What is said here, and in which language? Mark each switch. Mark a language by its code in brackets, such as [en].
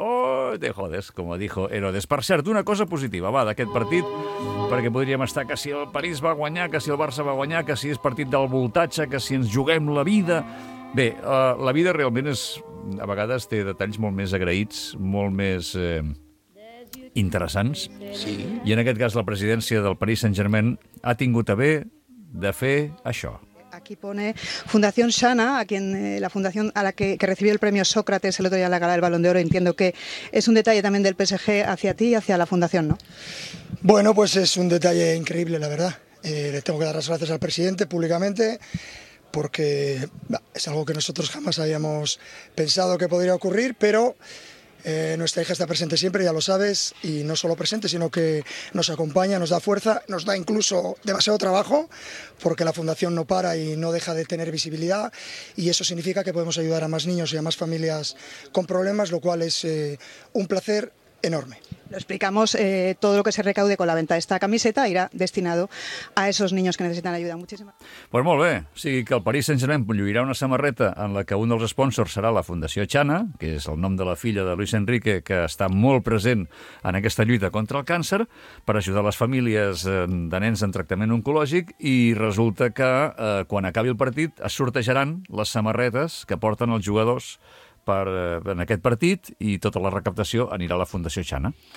[es] Oh, te jodes, com dijo Herodes. [ca] Per cert, una cosa positiva, va, d'aquest partit, perquè podríem estar que si el París va guanyar, que si el Barça va guanyar, que si és partit del voltatge, que si ens juguem la vida... Bé, la vida realment és... A vegades té detalls molt més agraïts, molt més interessants. Sí. I en aquest cas la presidència del Paris Saint-Germain ha tingut a bé de fer això. [es] Aquí pone Fundación Shana, a quien la fundación a la que recibió el premio Sócrates el otro día en la gala del Balón de Oro. Entiendo que es un detalle también del PSG hacia ti y hacia la fundación, ¿no? Bueno, pues es un detalle increíble, la verdad. Le tengo que dar las gracias al presidente públicamente porque es algo que nosotros jamás habíamos pensado que podría ocurrir, pero nuestra hija está presente siempre, ya lo sabes, y no solo presente, sino que nos acompaña, nos da fuerza, nos da incluso demasiado trabajo, porque la fundación no para y no deja de tener visibilidad, y eso significa que podemos ayudar a más niños y a más familias con problemas, lo cual es un placer enorme. Lo explicamos, todo lo que se recaude con la venta de esta camiseta irá destinado a esos niños que necesitan ayuda. Muchísimas. [ca] Pues molt bé, o sigui que el Paris Saint-Germain lluirà una samarreta en la que un dels sponsors serà la Fundació Chana, que és el nom de la filla de Luis Enrique, que està molt present en aquesta lluita contra el càncer, per ajudar les famílies de nens en tractament oncològic, i resulta que quan acabi el partit es sortejaran les samarretes que porten els jugadors en aquest partit, i tota la recaptació anirà a la Fundació Chana.